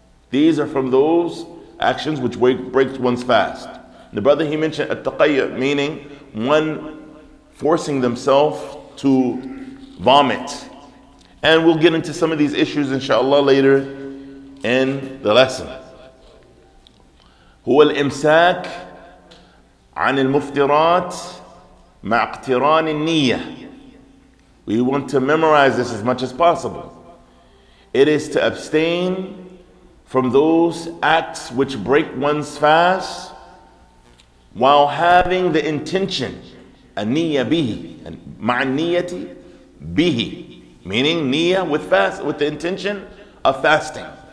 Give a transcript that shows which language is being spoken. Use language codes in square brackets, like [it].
[en] These are from those actions which breaks one's fast. The brother, he mentioned at-taqayya, meaning one forcing themselves to vomit. And we'll get into some of these issues, inshallah, later in the lesson. [ar] هو الإمساك عن المفطرات مع اقتران النية. [en] We want to memorize this as much as possible. It is to abstain from those acts which break one's fast while having the intention, [ar] النية به, مع النية به, [en] meaning نية with fast, with the intention of fasting.